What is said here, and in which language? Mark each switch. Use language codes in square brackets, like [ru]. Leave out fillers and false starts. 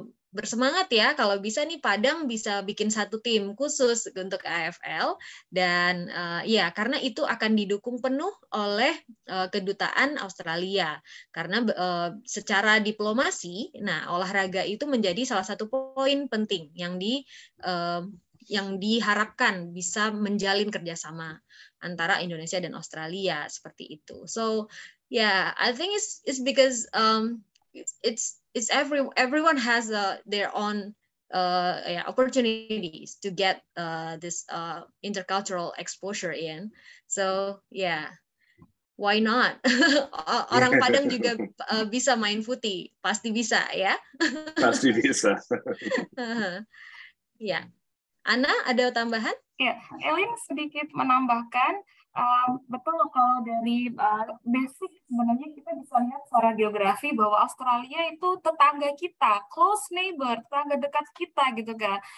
[id] bersemangat ya, kalau bisa nih Padang bisa bikin satu tim khusus untuk AFL, dan ya, karena itu akan didukung penuh oleh kedutaan Australia, karena secara diplomasi, nah olahraga itu menjadi salah satu poin penting yang diharapkan bisa menjalin kerjasama antara Indonesia dan Australia, seperti itu. [en] So, yeah, I think it's because it's everyone has their own opportunities to get this intercultural exposure in. So yeah, why not? [id] Orang Padang juga bisa main footy, pasti bisa ya. Pasti bisa. Ya, yeah. Anna, ada tambahan? Ya, yeah. Elin sedikit menambahkan. Betul, kalau dari basic sebenarnya kita bisa lihat secara geografi bahwa Australia itu tetangga kita, [en] close neighbor, [id] tetangga dekat kita gitu kan.